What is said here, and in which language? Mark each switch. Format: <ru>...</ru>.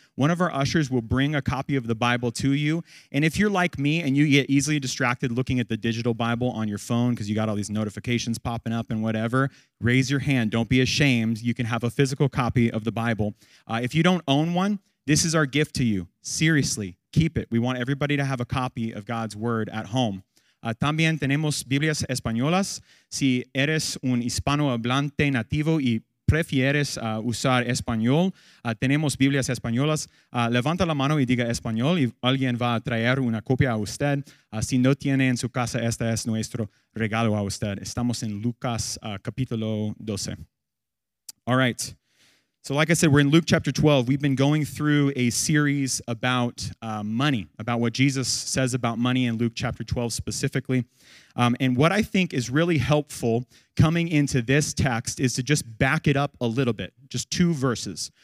<en>One of our ushers will bring a copy of the Bible to you. And if you're like me and you get easily distracted looking at the digital Bible on your phone because you got all these notifications popping up and whatever, raise your hand. Don't be ashamed. You can have a physical copy of the Bible. If you don't own one, this is our gift to you. Seriously, keep it. We want everybody to have a copy of God's word at home.</en> <es>También tenemos Biblias Españolas. Si eres un hispanohablante nativo y prefieres usar español, tenemos Biblias Españolas. Levanta la mano y diga español y alguien va a traer una copia a usted. Si no tiene en su casa, este es nuestro regalo a usted. Estamos en Lucas capítulo 12.</es> <en>All right. So like I said, we're in Luke chapter 12. We've been going through a series about money, about what Jesus says about money in Luke chapter 12 specifically. And what I think is really helpful coming into this text is to just back it up a little bit, just two verses.</en>